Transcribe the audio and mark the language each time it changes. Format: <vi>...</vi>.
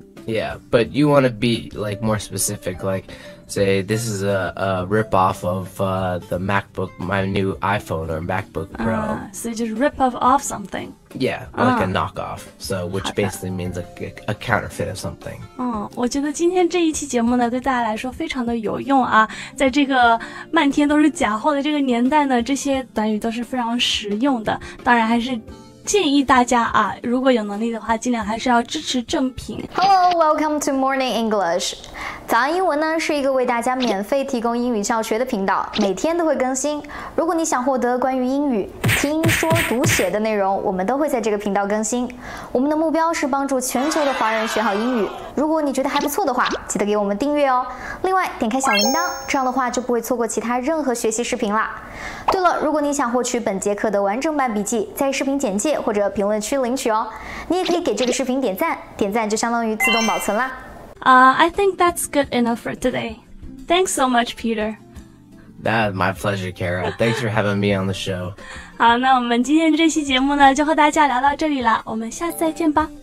<en>Yeah, but you want to be like more specific, like say this is a ripoff of the MacBook, my new iPhone or MacBook Pro. So you just rip off something. Yeah, like a knockoff. So which basically means a counterfeit of something.</en> <zh>我觉得今天这一期节目呢，对大家来说非常的有用啊。在这个漫天都是假货的这个年代呢，这些短语都是非常实用的。当然还是。建议大家啊，如果有能力的话，尽量还是要支持正品。</zh> <en>Hello, welcome to Morning English.</en> <zh>早安英文呢，是一个为大家免费提供英语教学的频道，每天都会更新。如果你想获得关于英语听说读写的内容，我们都会在这个频道更新。我们的目标是帮助全球的华人学好英语。如果你觉得还不错的话，记得给我们订阅哦。另外，点开小铃铛，这样的话就不会错过其他任何学习视频啦。对了，如果你想获取本节课的完整版笔记，在视频简介或者评论区领取哦。你也可以给这个视频点赞，点赞就相当于自动保存啦。</zh> <en>I think that's good enough for today. Thanks so much, Peter. My pleasure, Kara. Thanks for having me on the show.</en> <zh>好，那我们今天这期节目呢，就和大家聊到这里了。我们下次再见吧。</zh>